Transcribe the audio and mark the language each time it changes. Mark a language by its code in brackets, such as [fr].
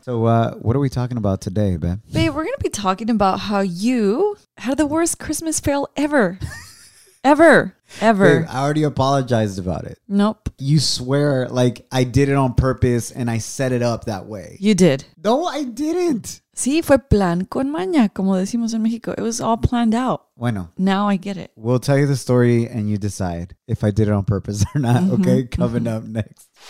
[en] So what are we talking about today, babe? Babe, we're going to be talking about how you had the worst Christmas fail ever. ever. Babe, I already apologized about it. Nope. You swear, like, I did it on purpose and I set it up that way. You did. No, I didn't. [es] Sí, fue plan con maña, como decimos en México. [en] It was all planned out. [es] Bueno. [en] Now I get it. We'll tell you the story and you decide if I did it on purpose or not, okay? Coming up next.